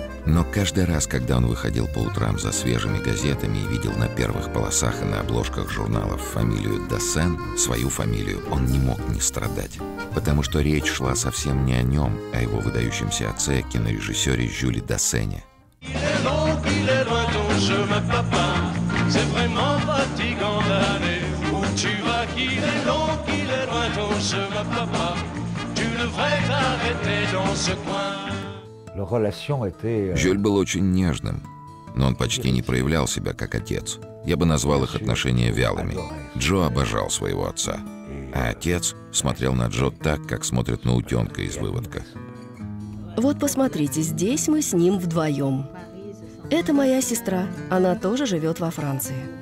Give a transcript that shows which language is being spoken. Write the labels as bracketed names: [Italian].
[Russian] Но каждый раз, когда он выходил по утрам за свежими газетами и видел на первых полосах и на обложках журналов фамилию Дассен, свою фамилию, он не мог не страдать. Потому что речь шла совсем не о нем, а о его выдающемся отце, кинорежиссере Жюле Дассене. [French] Il est long, il est long. je me papa. C'est vraiment fatigant d'aller où tu vas, qu'il est long, qu'il est loin, ton chemin, papa. Tu devrais t'arrêter dans ce coin. [Russian] Жюль был очень нежным, но он почти не проявлял себя как отец. Я бы назвал их отношения вялыми. Джо обожал своего отца, а отец смотрел на Джо так, как смотрят на утенка из выводка. Вот посмотрите, здесь мы с ним вдвоем. Это моя сестра, она тоже живет во Франции.